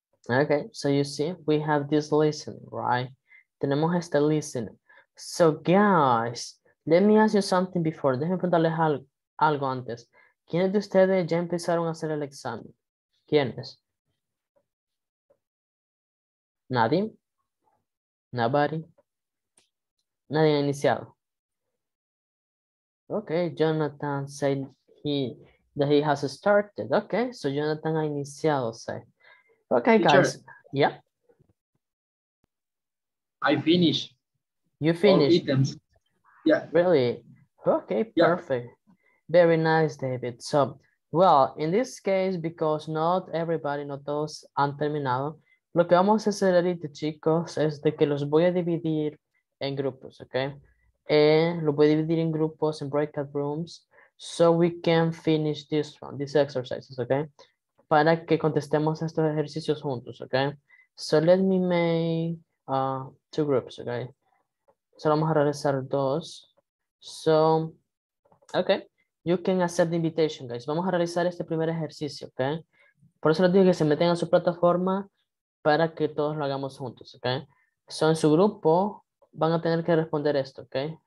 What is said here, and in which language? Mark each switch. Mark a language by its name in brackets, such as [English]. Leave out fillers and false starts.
[English] Okay, so you see, we have this listen, right? [Spanish] Tenemos este listen. [English] So, guys, let me ask you something before. [Spanish] Déjenme preguntarles algo antes. ¿Quiénes de ustedes ya empezaron a hacer el examen? ¿Quiénes? ¿Nadie? [English] ¿Nobody? [Spanish] ¿Nadie ha iniciado? [English] Okay, Jonathan said that he has started. Okay, so Jonathan [Spanish] ha iniciado, [English] say. Okay, teacher, guys. Yeah. I finished. You finished? All items. Yeah. Really? Okay, perfect. Yeah. Very nice, David. So, well, in this case, because not everybody, [Spanish] not todos han terminado, lo que vamos a hacer ahorita, chicos, es de que los voy a dividir en grupos, okay? Lo voy a dividir en grupos, en breakout rooms. [English] So we can finish this one, these exercises, okay? [Spanish] Para que contestemos estos ejercicios juntos, okay? [English] So let me make two groups, [Spanish] okay? [English] So [Spanish] vamos a realizar dos. [English] So, okay, you can accept the invitation, guys. [Spanish] Vamos a realizar este primer ejercicio, okay? Por eso les digo que se meten a su plataforma para que todos lo hagamos juntos, okay? So en su grupo van a tener que responder esto, okay?